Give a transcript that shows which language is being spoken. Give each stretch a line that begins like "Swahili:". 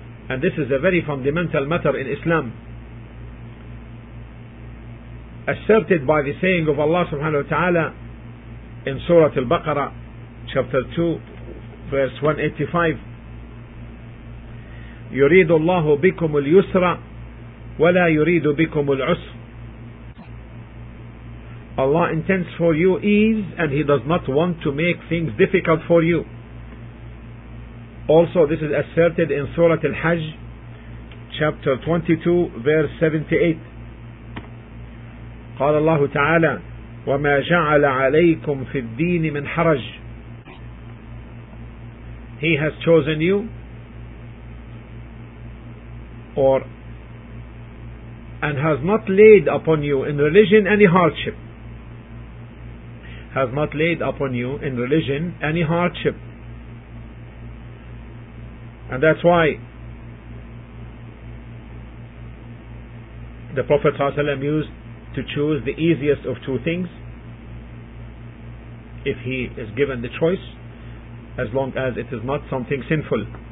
English: And this is a very fundamental matter in Islam, asserted by the saying of Allah subhanahu wa ta'ala in Surah Al-Baqarah, chapter 2, verse 185.
Arabic: يريد الله بكم اليسر ولا يريد بكم العسر.
English: Allah intends for you ease and he does not want to make things difficult for you. Also, this is asserted in Surah Al-Hajj, chapter 22, verse 78.
Arabic: قال الله تعالى وما جعل عليكم في الدين من حرج.
English: He has chosen you or and has not laid upon you in religion any hardship. Has not laid upon you in religion any hardship. And that's why the Prophet ﷺ used to choose the easiest of two things if he is given the choice, as long as it is not something sinful.